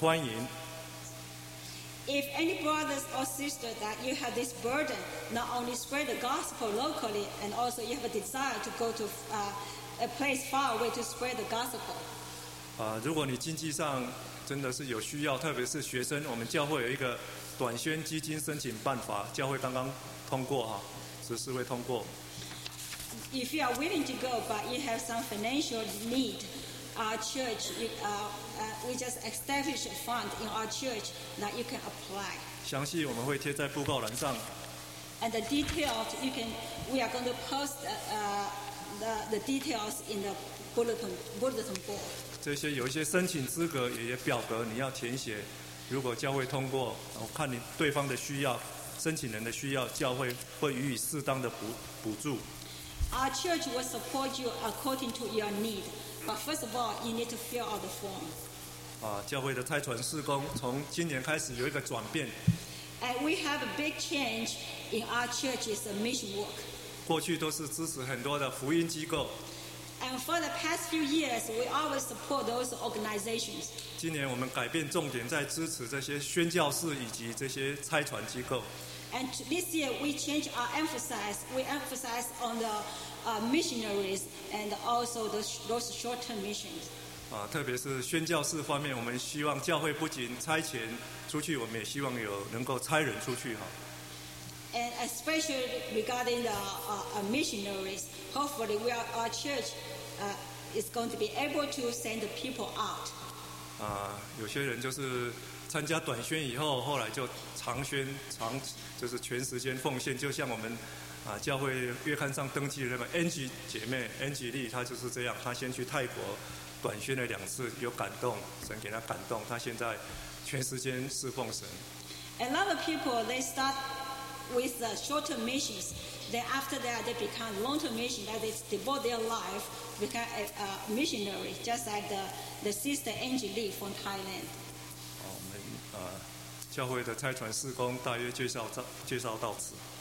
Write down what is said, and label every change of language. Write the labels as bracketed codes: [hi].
[zh] 如果弟兄姐妹有负担，愿意不仅在本城本地进出传福音，也愿意到远处传福音做见证的话，我们很欢迎。 [en] If any brothers or sisters that you have this burden, not only spread the gospel locally, and also you have a desire to go to a place far away to spread the gospel. [zh] 如果你经济上真的是有需要，特别是学生，我们教会有一个短宣基金申请办法，教会刚刚通过哈，执事会通过。 [en] If you are willing to go, but you have some financial need, our church, we just establish a fund in our church that you can apply. [zh] 详细我们会贴在布告栏上。 [en] And the details, you can, we are going to post the details in the bulletin board. [zh] 这些有一些申请资格也表格你要填写，如果教会通过，我看你对方的需要，申请人的需要，教会会予以适当的补助。 [en] Our church will support you according to your need, but first of all, you need to fill out the form. [zh] 教会的差传事工从今年开始有一个转变。 [en] And we have a big change in our church's mission work. [zh] 过去都是支持很多的福音机构。 [en] And for the past few years, we always support those organizations. [zh] 今年我们改变重点，在支持这些宣教士以及这些差传机构。 [en] And this year, we change our emphasis. We emphasize on the missionaries and also those short-term missions. [zh] 特别是宣教士方面，我们希望教会不仅差遣出去，我们也希望有能够差人出去哈。 [en] And especially regarding the missionaries, hopefully we are, our church is going to be able to send the people out. [zh] 有些人就是参加短宣以后，后来就长宣长，就是全时间奉献，就像我们教会月刊上登记的那个 Angie 姐妹 Angie Lee， 她就是这样，她先去泰国短宣了两次，有感动，神给她感动，她现在全时间侍奉神。 [en] A lot of people they start. With the short-term missions, then after that they become long-term missions. That is, devote their life, become a missionary, just like the sister Angie Lee from Thailand. [zh] 我们教会的差传事工大约介绍到此。